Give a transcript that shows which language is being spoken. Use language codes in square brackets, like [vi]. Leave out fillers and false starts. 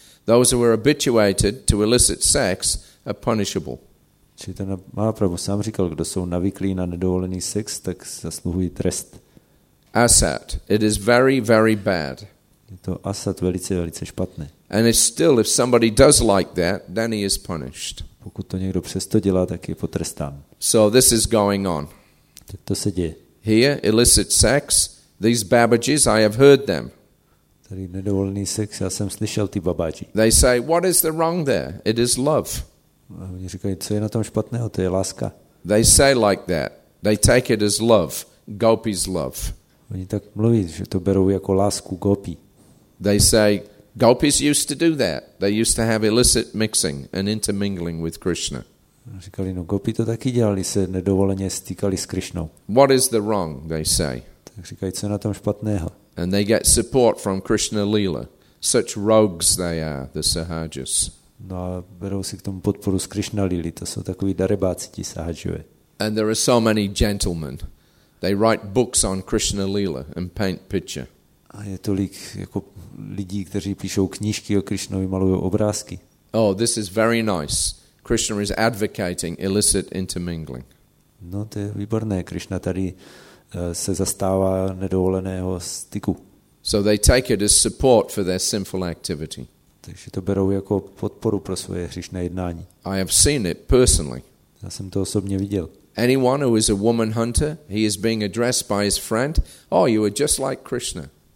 [en] Those who are habituated to illicit sex are punishable. [cs] Chaitanya Mahaprabhu sám říkal, kdo jsou navyklí na nedovolený sex, tak zasluhují trest. [en] Asat, it is very, very bad. [cs] Je to asat velice, velice špatné. [en] And it's still, if somebody does like that, then he is punished. [cs] Pokud to někdo přesto dělá, tak je potrestán. [en] So this is going on. [cs] Tak to se děje. [en] Here, illicit sex, these babajis, I have heard them. [cs] Tady nedovolený sex, já jsem slyšel ty babaji. [en] They say, what is the wrong there? It is love. [cs] A oni říkají, co je na tom špatného? To je láska. [en] They say like that. They take it as love. Gopi's love. [cs] Oni tak mluví, že to berou jako lásku Gopi. [en] They say, Gopis used to do that. They used to have illicit mixing and intermingling with Krishna. [cs] Říkali, no, Gopi to taky dělali, se nedovoleně stýkali s Krišnou. [en] What is the wrong, they say. [cs] Tak říkají, co je na tom špatného. [en] And they get support from Krishna Lila. Such rogues they are, the Sahajas. [cs] No a berou si k tomu podporu z Krishna Lily, to jsou takový darebáci, ti Sahajové. [en] And there are so many gentlemen. They write books on Krishna Lila and paint picture. [cs] A je tolik jako lidí, kteří píšou knížky o Krišnovi, malují obrázky. [en] Oh, this is very nice. Krishna is advocating illicit intermingling. [cs] No, to je výborné. Krišna tady se zastává nedovoleného styku. [en] So they take it as support for their sinful activity. [cs] Takže to berou jako podporu pro svoje hříšné jednání. [en] I have seen it personally. [cs] Já jsem to osobně viděl. [en] Anyone who is a woman hunter, he is being addressed by his friend. Oh, you are just like Krishna.